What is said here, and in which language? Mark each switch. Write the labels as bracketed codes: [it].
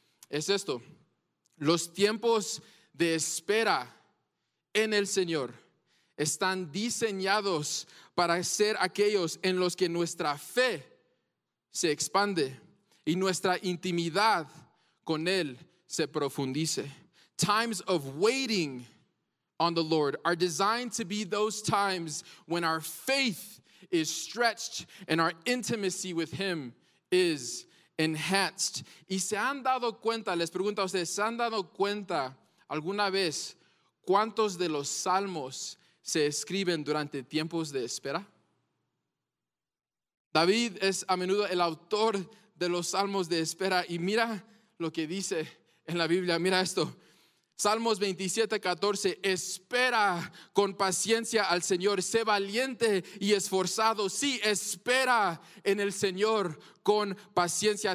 [es] Es esto: los tiempos de espera en el Señor están diseñados para ser aquellos en los que nuestra fe se expande y nuestra intimidad con Él se profundice. [en] Times of waiting on the Lord are designed to be those times when our faith is stretched and our intimacy with Him is enhanced. [es] Y se han dado cuenta, les pregunto a ustedes, ¿se han dado cuenta alguna vez cuántos de los salmos se escriben durante tiempos de espera? David es a menudo el autor de los salmos de espera y mira lo que dice en la Biblia, mira esto, Salmos 27:14, espera con paciencia al Señor, sé valiente y esforzado, sí, espera en el Señor con paciencia.